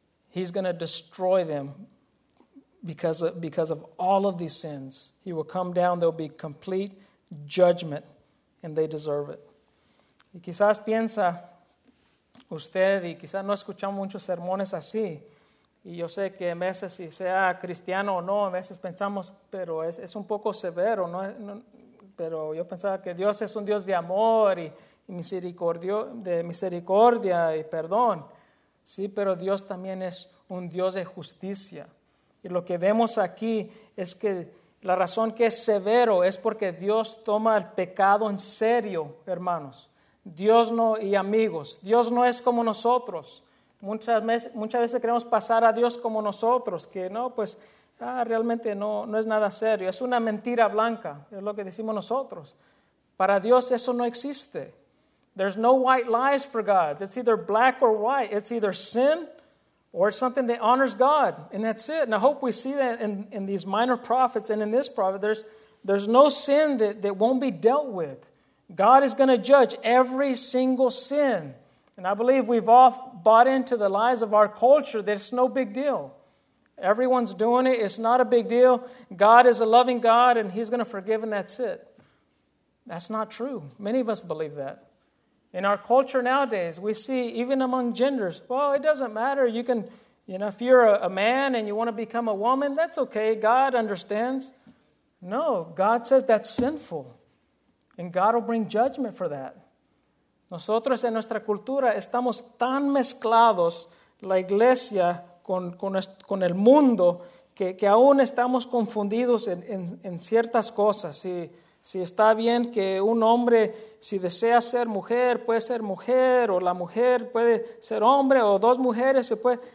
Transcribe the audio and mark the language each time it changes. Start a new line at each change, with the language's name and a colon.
English: He's going to destroy them because of all of these sins. He will come down, there will be complete judgment, and they deserve it.
Spanish: Y quizás piensa usted, y quizás no escuchamos muchos sermones así, y yo sé que a veces, si sea cristiano o no, a veces pensamos, pero es un poco severo, ¿no? Pero yo pensaba que Dios es un Dios de amor y misericordia y perdón. Sí, pero Dios también es un Dios de justicia. Y lo que vemos aquí es que la razón que es severo es porque Dios toma el pecado en serio, hermanos. Dios no, y amigos, Dios no es como nosotros. Muchas veces queremos pasar a Dios como nosotros, que no, pues realmente no es nada serio. Es una mentira blanca, es lo que decimos nosotros. Para Dios eso no existe.
English: There's no white lies for God. It's either black or white. It's either sin Or it's something that honors God, and that's it. And I hope we see that in these minor prophets and in this prophet. There's no sin that won't be dealt with. God is going to judge every single sin. And I believe we've all bought into the lies of our culture that it's no big deal. Everyone's doing it. It's not a big deal. God is a loving God, and he's going to forgive, and that's it. That's not true. Many of us believe that. In our culture nowadays, we see even among genders, well, it doesn't matter. You can, you know, if you're a man and you want to become a woman, that's okay. God understands. No, God says that's sinful. And God will bring judgment for that.
Spanish: Nosotros en nuestra cultura estamos tan mezclados, la iglesia, con el mundo, que aún estamos confundidos en ciertas cosas. Si está bien que un hombre, si desea ser mujer, o la mujer puede ser hombre, o dos mujeres, se puede.